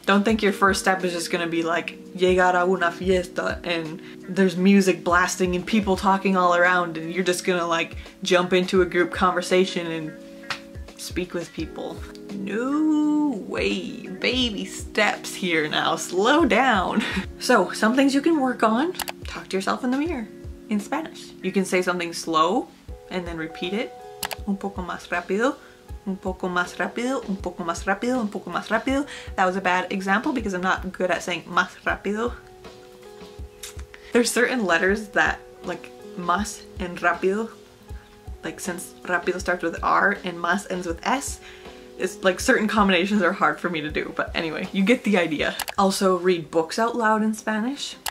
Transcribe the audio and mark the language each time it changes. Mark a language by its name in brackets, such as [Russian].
[English] Don't think your first step is just gonna be like, [Spanish] llegar a una fiesta [English] and there's music blasting and people talking all around and you're just gonna like jump into a group conversation and speak with people. No way. Baby steps here now. Slow down. So, some things you can work on. Talk to yourself in the mirror in Spanish. You can say something slow and then repeat it. [Spanish] Un poco más rápido. Un poco más rápido, un poco más rápido, un poco más rápido. [English] That was a bad example because I'm not good at saying más rápido. There's certain letters that, like, más and rápido, like, since rápido starts with R and más ends with S, it's like certain combinations are hard for me to do. But anyway, you get the idea. Also, read books out loud in Spanish.